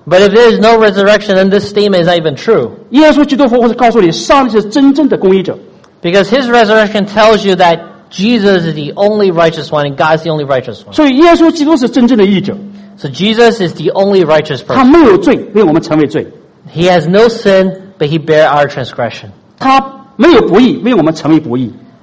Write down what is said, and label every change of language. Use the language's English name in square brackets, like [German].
[English] But if there is no resurrection, then this statement is not even true. [Chinese] 耶稣基督复活是告诉你，上帝是真正的公义者。 [English] Because his resurrection tells you that Jesus is the only righteous one, and God is the only righteous one. [Chinese] 所以耶稣基督是真正的义者。 [English] So Jesus is the only righteous person. [Chinese] 他没有罪，为我们成为罪。 [English] He has no sin, but he bare our transgression. [Chinese] 他没有不义，为我们成为不义。